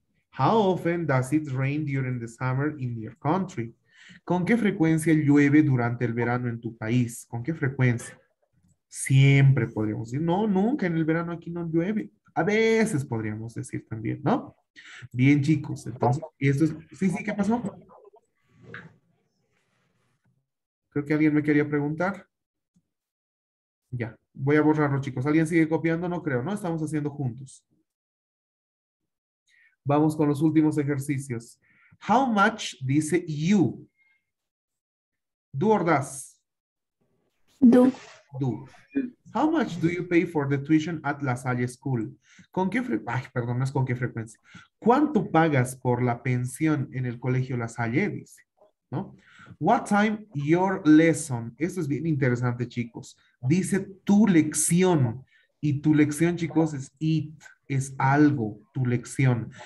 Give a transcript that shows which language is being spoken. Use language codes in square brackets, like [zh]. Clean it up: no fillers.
[en] How often does it rain during the summer in your country? [es] ¿Con qué frecuencia llueve durante el verano en tu país? ¿Con qué frecuencia? Siempre podríamos decir. No, nunca en el verano aquí no llueve. A veces podríamos decir también, ¿no? Bien, chicos. Entonces, esto es... Sí, sí, ¿qué pasó? Creo que alguien me quería preguntar. Ya, voy a borrarlo, chicos. ¿Alguien sigue copiando? No creo, ¿no? Estamos haciendo juntos. Vamos con los últimos ejercicios. [en] How much dice you? Do or does? Do. Do. How much do you pay for the tuition at La Salle School? [es] ¿Con qué frecuencia? ¿Cuánto pagas por la pensión en el colegio La Salle? Dice, ¿no? [en] What time your lesson? [es] Esto es bien interesante, chicos. Dice tu lección. Y tu lección, chicos, es it. Es algo, tu lección.